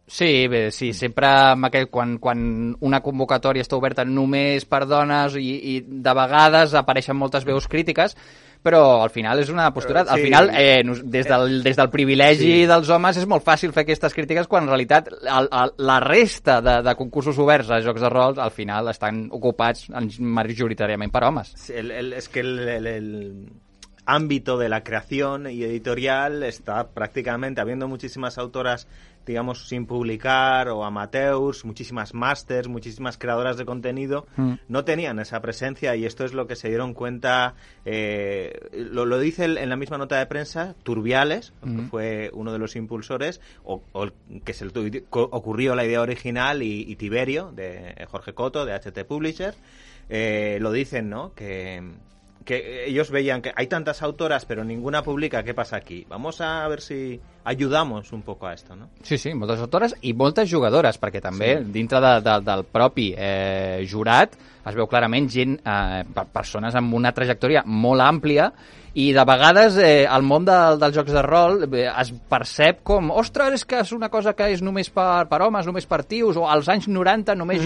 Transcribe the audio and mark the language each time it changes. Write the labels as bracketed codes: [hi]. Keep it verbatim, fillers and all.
[ca] Sí, bé, sí, sempre amb aquell, quan, quan una convocatòria està oberta només per dones i, i de vegades apareixen moltes veus crítiques, però al final és una postura... Al sí. final, eh, des, del, des del privilegi sí. dels homes és molt fàcil fer aquestes crítiques quan en realitat el, el, la resta de, de concursos oberts a jocs de rol al final estan ocupats majoritàriament per homes. Sí, el, el, és que el... el, el... [es] ámbito de la creación y editorial está prácticamente habiendo muchísimas autoras digamos, sin publicar o amateurs, muchísimas masters, muchísimas creadoras de contenido, mm. no tenían esa presencia, y esto es lo que se dieron cuenta, eh, lo, lo dice el, en la misma nota de prensa, Turbiales, mm. que fue uno de los impulsores, o, o que se le ocurrió la idea original, y, y Tiberio, de Jorge Coto, de H T Publisher, eh, lo dicen, ¿no?, que... que ellos veían que hay tantas autoras pero ninguna publica, ¿qué pasa aquí? Vamos a ver si ajudamos un poco a esto, no? [ca] Sí, sí, moltes autores i moltes jugadores, perquè també sí. dintre de, de, del propi eh, jurat es veu clarament gent, eh, persones amb una trajectòria molt àmplia, i de vegades eh, el món de, dels jocs de rol eh, es percep com, ostres, és que és una cosa que és només per, per homes, només per tios, o als anys noranta només mm.